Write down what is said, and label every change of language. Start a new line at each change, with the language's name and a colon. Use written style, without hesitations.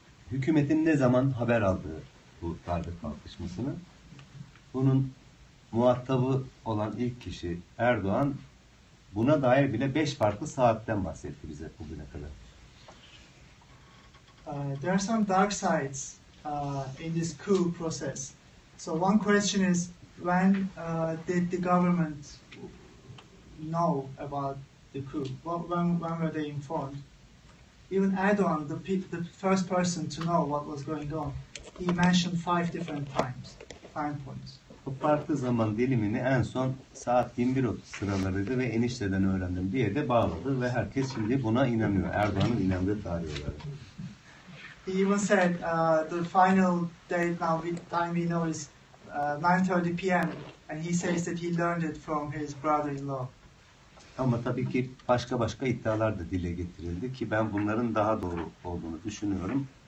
Turkish: Hükümetin ne zaman haber aldığı bu darbe kalkışmasını. Bunun muhatabı olan ilk kişi Erdoğan buna dair bile 5 farklı saatten bahsetti bize bugüne kadar.
English: There are some dark sides in this coup process. So one question is, when did the government know about the coup? When were they informed? Even Erdoğan, the first person to know what was going on, he mentioned 5 different times, time points.
Turkish: Bu farklı zaman dilimini en son saat 21.30 sıralarıydı ve enişteden öğrendim diye de bağladı ve herkes şimdi buna inanıyor. Erdoğan'ın inandığı tarihlere.
English: He even said the final date now with time we know is 9:30 p.m. and he says that he learned it from his brother-in-law.
Turkish: Ama tabii ki başka başka iddialar da dile getirildi ki ben bunların daha doğru olduğunu düşünüyorum.